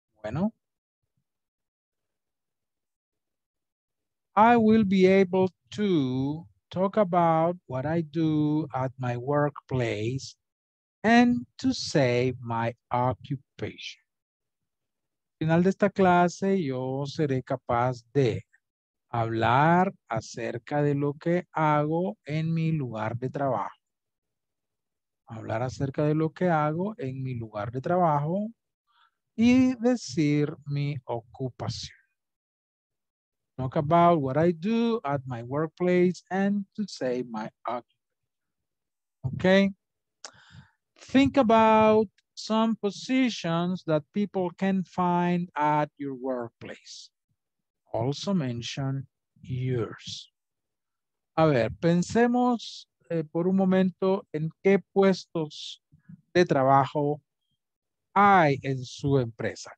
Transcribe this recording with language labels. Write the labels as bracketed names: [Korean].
[English] Bueno, I will be able to talk about what I do at my workplace and to say my occupation. [Spanish] Al final de esta clase, yo seré capaz de hablar acerca de lo que hago en mi lugar de trabajo. Hablar acerca de lo que hago en mi lugar de trabajo y decir mi ocupación. [English] Talk about what I do at my workplace and to say my occupation. Okay. Think about some positions that people can find at your workplace. Also mention yours. [Spanish] A ver, pensemos por un momento en qué puestos de trabajo hay en su empresa.